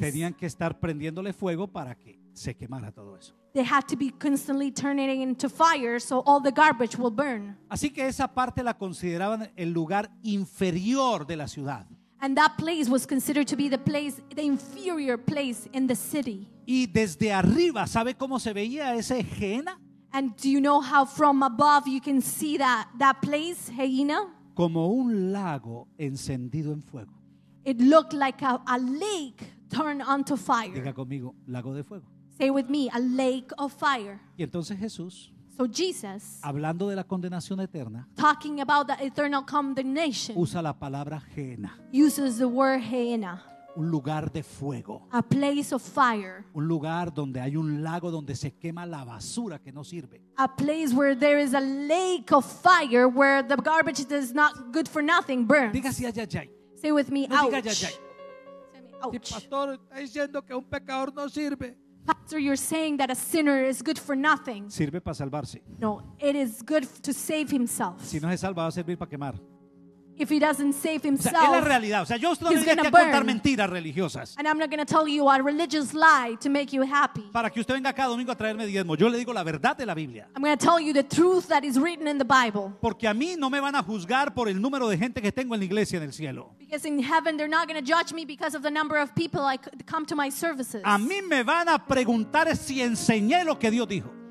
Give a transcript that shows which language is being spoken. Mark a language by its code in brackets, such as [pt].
[es] Tenían que estar prendiéndole fuego para que se quemara todo eso. [en] They had to be constantly turning it into fire so all the garbage will burn. [es] Así que esa parte la consideraban el lugar inferior de la ciudad. [en] And that place was considered to be the place, the inferior place in the city. [es] Y desde arriba, ¿sabe cómo se veía ese Gehenna? [en] And do you know how from above you can see that place, Gehenna? [es] Como un lago encendido en fuego. [en] It looked like a lake turned onto fire. [es] Diga conmigo, lago de fuego. [en] Say with me, a lake of fire. [es] Y entonces Jesús. [en] So Jesus. [es] Hablando de la condenación eterna. [en] Talking about the eternal condemnation. [es] Usa la palabra Gehenna. [en] Uses the word Gehenna. [es] Un lugar de fuego. [en] A place of fire. [es] Un lugar donde hay un lago donde se quema la basura que no sirve. [en] A place where there is a lake of fire where the garbage that is not good for nothing burns. [es] Diga si ay, ay, ay. [en] Say with me, [es] no [en] ouch. [es] Diga ay, ay. [en] Say me, ouch. [es] Si pastor está diciendo que un pecador no sirve. [en] Pastor, you're saying that a sinner is good for nothing. [es] Sirve para salvarse. [en] No, it is good to save himself. [es] Si no se salva, va a servir para quemar. [en] if he doesn't save himself, [es] o sea, es la realidad. O sea, yo no tengo que contar mentiras religiosas. [en] And I'm not going to tell you a religious lie to make you happy. [es] Para que usted venga cada domingo a traerme diezmo, yo le digo la verdad de la Biblia. [en] I'm going to tell you the truth that is written in the Bible. [es] Porque a mí no me van a juzgar por el número de gente que tengo en la iglesia en el cielo. [en] Because in heaven they're not going to judge me because of the number of people I come to my services. [es] A mí me van a preguntar si enseñé lo que Dios dijo.